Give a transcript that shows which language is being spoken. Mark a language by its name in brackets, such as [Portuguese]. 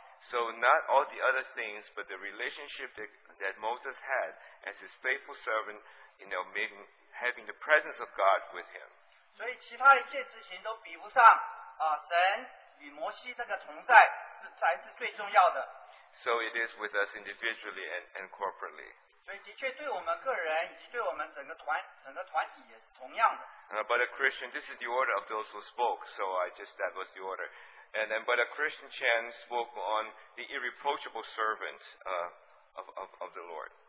[English] So not all the other things, but the relationship that Moses had as his faithful servant, you know, making, having the presence of God with him. [Chinese] 所以其他一切事情都比不上, 神与摩西这个同在, 才是最重要的。 [English] So it is with us individually and corporately. [Chinese] 所以的确对我们个人以及对我们整个团体也是同样的。 [English] But a Christian, this is the order of those who spoke, so I just, that was the order. And then, but a Christian Chan spoke on the irreproachable servant of the Lord.